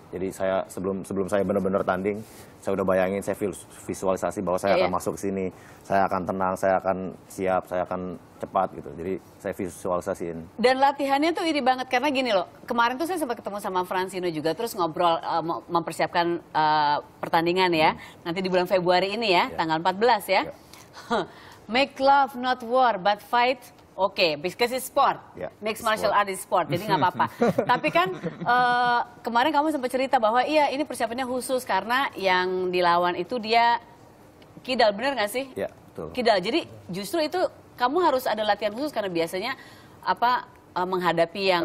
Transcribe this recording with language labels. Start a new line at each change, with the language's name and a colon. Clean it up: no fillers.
Indonesian: Jadi saya sebelum saya benar-benar tanding, saya udah bayangin, saya visualisasi bahwa saya akan masuk sini, saya akan tenang, saya akan siap, saya akan cepat gitu. Jadi saya visualisasiin. Dan latihannya tuh ini banget, karena gini loh, kemarin tuh saya sempat ketemu sama Francino juga, terus ngobrol mempersiapkan pertandingan ya, nanti di bulan Februari ini ya, tanggal 14 ya.
English: Make love not war, but fight. Oke, because it's sport. Yeah, mixed martial art is sport,
Indonesian: jadi gak apa-apa. Tapi kan kemarin kamu sempat cerita bahwa iya ini persiapannya khusus karena yang dilawan itu dia kidal, bener gak sih? Iya, betul. Kidal, jadi justru itu kamu harus ada latihan khusus karena biasanya menghadapi yang...